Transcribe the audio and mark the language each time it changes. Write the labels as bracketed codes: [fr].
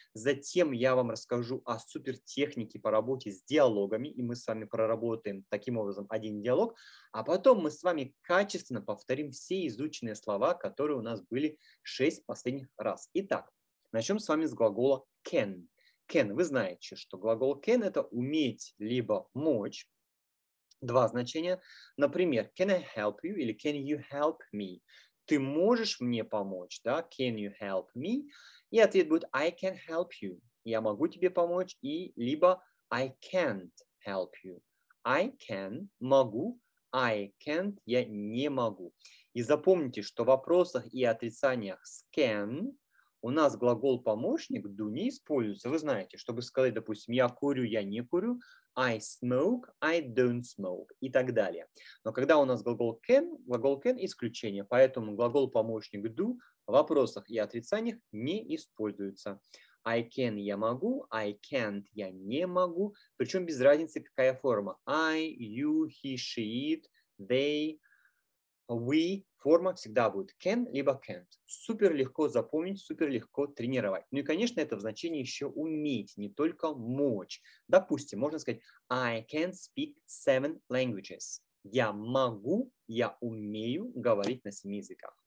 [ru] Затем я вам расскажу о супертехнике по работе с диалогами, и мы с вами проработаем таким образом один диалог. А потом мы с вами качественно повторим все изученные слова, которые у нас были 6 последних раз. Итак, начнем с вами с глагола can. [en] Can. [ru] Вы знаете, что глагол can – это уметь либо мочь. Два значения. [en] Например, can I help you или can you help me? [ru] Ты можешь мне помочь, да? [en] Can you help me? [ru] И ответ будет [en] I can help you. [ru] Я могу тебе помочь. [en] И либо I can't help you. I can, могу. I can't, [ru] я не могу. И запомните, что в вопросах и отрицаниях с can у нас глагол помощник do не используется. Вы знаете, чтобы сказать, допустим, я курю, я не курю. [en] I smoke, I don't smoke [ru] и так далее. Но когда у нас глагол can исключение, поэтому глагол помощник do в вопросах и отрицаниях не используется. [en] I can, [ru] я могу, [en] I can't, [ru] я не могу. Причем без разницы, какая форма. [en] I, you, he, she, it, they, we. [ru] Форма всегда будет can, либо can't. Супер легко запомнить, супер легко тренировать. Ну и, конечно, это в значении еще уметь, не только мочь. Допустим, можно сказать [en] I can speak 7 languages. [ru] Я могу, я умею говорить на 7 языках.